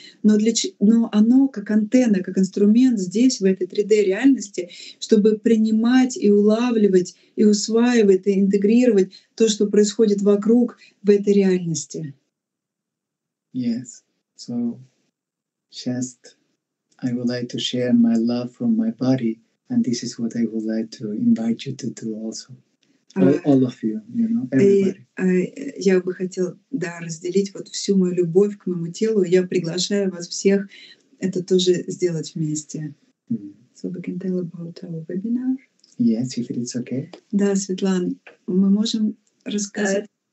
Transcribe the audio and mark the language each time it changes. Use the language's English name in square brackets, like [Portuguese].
[Russian] Но оно как антенна, как инструмент здесь, в этой 3D-реальности, чтобы принимать и улавливать, и усваивать, и интегрировать то, что происходит вокруг в этой реальности. [English] Yes, so... Just, I would like to share my love from my body, and this is what I would like to invite you to do also, all of you, you know, everybody. [Russian] Я бы хотел, да, разделить вот всю мою любовь к моему телу. Я приглашаю вас всех это тоже сделать вместе. [English] So we can tell about our webinar. Yes, if it's okay. [Russian] Да, Светлан, мы можем рассказать.